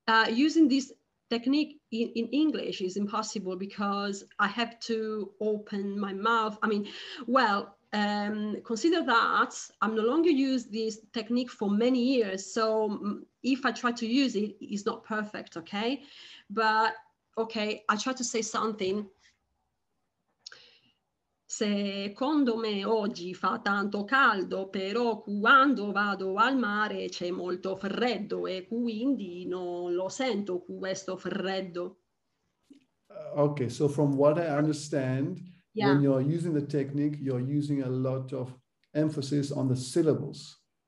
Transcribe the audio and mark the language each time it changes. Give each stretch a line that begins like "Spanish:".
English: Using this technique in English is impossible because I have to open my mouth. I mean, well, consider that I'm no longer use this technique for many years. So if I try to use it, it's not perfect, okay? But, okay, I try to say something.
Italian: Secondo me oggi fa tanto caldo, però quando vado al mare c'è molto freddo e quindi non lo sento questo freddo.
English: Okay, so from what I understand, yeah, when you're using the technique, you're using a lot of emphasis on the syllables.